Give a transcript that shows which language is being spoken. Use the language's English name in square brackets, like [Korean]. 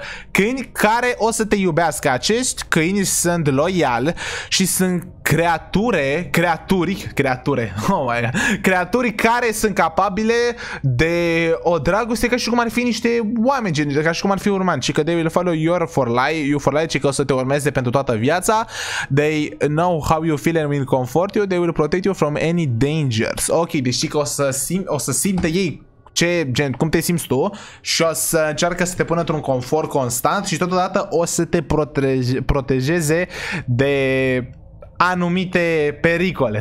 [Romanian] Câini care o să te iubească. Acești câini sunt loiali și sunt creaturi, [English] oh my God, [Romanian] creaturi care sunt capabile de o dragoste ca și cum ar fi niște oameni, gen, ca și cum ar fi urman. Și că [English] they will follow you for life, [Romanian] ci că o să te urmeze pentru toată viața. [English] They know how you feel and will comfort you. They will protect you from any dangers. [Romanian] Ok, deci știi că o să simte ei ce gen, cum te simți tu și o să încearcă să te pună într-un confort constant și totodată o să te protejeze de anumite pericole.